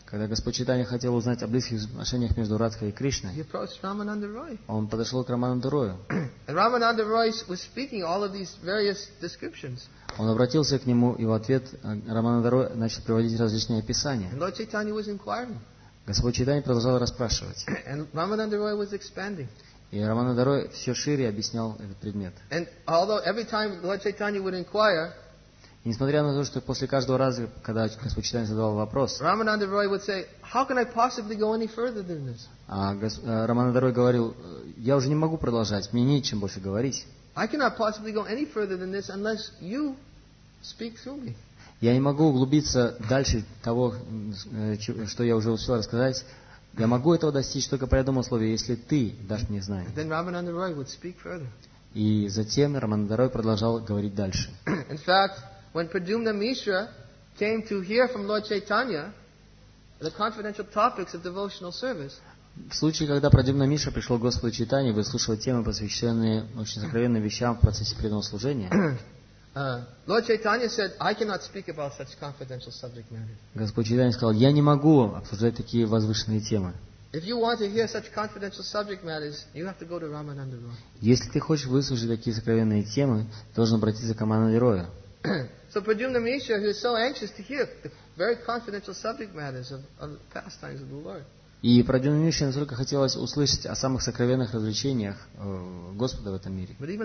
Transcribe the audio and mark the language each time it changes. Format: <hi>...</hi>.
<ru>Когда Господь Чайтанья хотел узнать о близких отношениях между Радхой и Кришной,</ru> <en>he approached Ramananda Roy.</en> <ru>Он подошел к Рамананде Рою.</ru> <en>And Ramananda Roy was speaking all of these various descriptions.</en> <ru>Он обратился к нему, и в ответ Рамананда Рой начал приводить различные описания.</ru> <en>And Lord Chaitanya was inquiring.</en> <ru>Господь Чайтанья продолжал расспрашивать.</ru> <en>And Ramananda Roy was expanding.</en> <ru>И Рамананда Рой все шире объяснял этот предмет.</ru> <en>And although every time Lord Chaitanya would inquire,</en> <ru>и несмотря на то, что после каждого раза, когда Господь Чайтанья задавал вопрос,</ru> <en>Ramananda Roy would say, "How can I possibly go any further than this?"</en> <ru>А Рамананда Рой говорил, "Я уже не могу продолжать, мне нечем больше говорить."</ru> <en>I cannot possibly go any further than this unless you speak through me.</en> <ru>Я не могу углубиться дальше того, что я уже успел рассказать. Я могу этого достичь только при одном условии, если ты дашь мне знание.</ru> <en>Then Ramananda Roy would speak further.</en> <ru>И затем Рамананда Рой продолжал говорить дальше.</ru> <en>In fact, when Pradyumna Mishra came to hear from Lord Chaitanya the confidential topics of devotional service,</en> <ru>В случае, когда Прадюмна Миша пришел к Господу Чайтанье, вы слышали темы, посвященные очень сокровенным вещам в процессе преданного служения.</ru> <en>Lord Chaitanya said, I cannot speak about such confidential subject matter.</en> <ru>Господь Чайтанья сказал, я не могу обсуждать такие возвышенные темы.</ru> <en>If you want to hear such confidential subject matters, you have to go to Ramananda Roy.</en> <ru>Если ты хочешь выслушать такие сокровенные темы, ты должен обратиться к Амананде Роя.</ru> <en>So Pradyumna Mishra, who is so anxious to hear the very confidential subject matters of the pastimes of the Lord.</en> <ru>И Прадюмна Миша настолько хотелось услышать о самых сокровенных развлечениях Господа в этом мире.</ru>